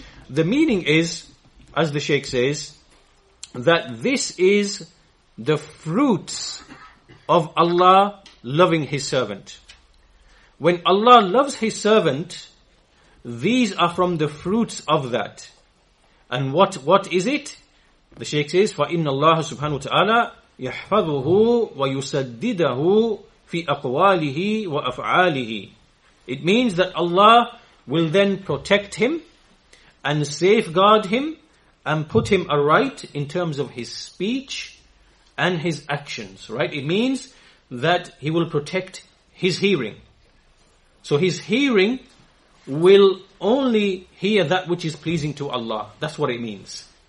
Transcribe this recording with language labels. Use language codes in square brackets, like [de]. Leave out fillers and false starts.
[en] The meaning is, as the Sheikh says, that this is the fruits of Allah loving his servant. When Allah loves his servant, these are from the fruits of that. And what is it? The Sheikh says, [ar] فَإِنَّ اللَّهَ سُبْحَانَهُ وَتَعَالَىٰ يَحْفَظُهُ وَيُسَدِّدَهُ فِي أَقْوَالِهِ وَأَفْعَالِهِ. [en] It means that Allah will then protect him and safeguard him and put him aright in terms of his speech and his actions, right? It means that he will protect his hearing. So his hearing will only hear that which is pleasing to Allah. That's what it means.